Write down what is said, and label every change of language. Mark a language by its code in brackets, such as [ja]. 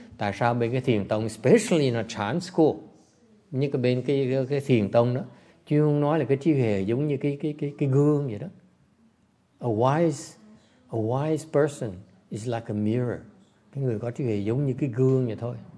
[vi] Tại sao bên cái thiền tông, [en] especially in a chan school, [vi] như cái bên cái thiền tông đó, chứ không nói là cái trí huệ giống như cái gương vậy đó. [en] A wise person is like a mirror. [vi] Cái người có trí huệ giống như cái gương vậy thôi.